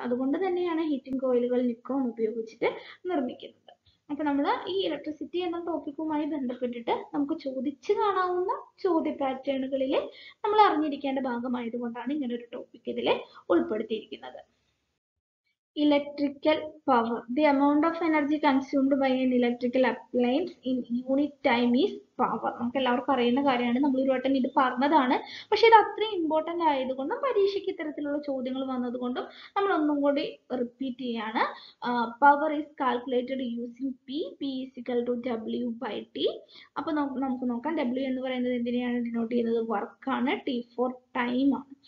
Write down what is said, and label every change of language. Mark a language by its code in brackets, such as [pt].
[ml] അതുകൊണ്ട് തന്നെയാണ് ഹീറ്റിംഗ് കോയിലുകൾ നിക്രോം ഉപയോഗിച്ചിട്ട് നിർമ്മിക്കുന്നത്. അപ്പൊ നമ്മൾ ഈ ഇലക്ട്രിസിറ്റി എന്ന ടോപ്പിക്കുമായി ബന്ധപ്പെട്ടിട്ട് നമുക്ക് ചോദിച്ചു കാണാവുന്ന ചോദ്യ പാറ്റേണുകളിലെ നമ്മൾ അറിഞ്ഞിരിക്കേണ്ട ഭാഗമായതുകൊണ്ടാണ് ഇങ്ങനൊരു ടോപ്പിക് ഇതിൽ ഉൾപ്പെടുത്തിയിരിക്കുന്നത്. [en] Electrical power. The amount of energy consumed by an electrical appliance in unit time is power. [ml] നമുക്ക് എല്ലാവർക്കും അറിയുന്ന കാര്യമാണ്. നമ്മൾ ഒരു വട്ടം ഇത് പറഞ്ഞതാണ്. പക്ഷെ ഇത് അത്രയും ഇമ്പോർട്ടൻ്റ് ആയതുകൊണ്ടും പരീക്ഷയ്ക്ക് ഇത്തരത്തിലുള്ള ചോദ്യങ്ങൾ വന്നതുകൊണ്ടും നമ്മൾ ഒന്നും കൂടി റിപ്പീറ്റ് ചെയ്യാണ്. [en] Power is calculated using P. P is equal to W by T. [ml] അപ്പൊ നമുക്ക് നോക്കാം, ഡബ്ല്യു എന്ന് പറയുന്നത് എന്തിനെയാണ് ഡിനോട്ട് ചെയ്യുന്നത്? വർക്ക് ആണ്, ടി ഫോർ ടൈം ആണ്.